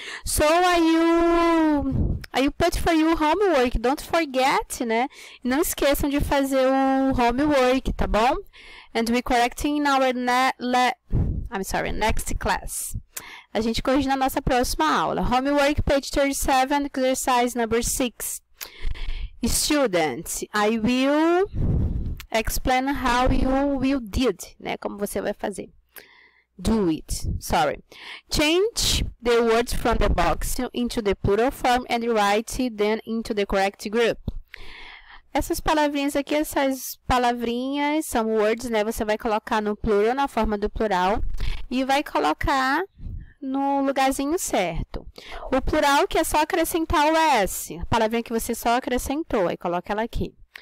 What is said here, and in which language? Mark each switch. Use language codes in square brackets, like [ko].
[en] So, I'll put for you homework, don't forget, né? [pt] Não esqueçam de fazer o homework, tá bom? [en] And we correct in our next class. [pt] A gente corrige na nossa próxima aula. [en] Homework, page 37, exercise number 6. Student, I will explain how you will did, né? [pt] Como você vai fazer. [en] Do it. Sorry. Change the words from the box into the plural form and write them into the correct group. [pt] Essas palavrinhas aqui, essas palavrinhas, são words, né? Você vai colocar no plural, na forma do plural, e vai colocar no lugarzinho certo. O plural, que é só acrescentar o S. A palavrinha que você só acrescentou, aí coloca ela aqui.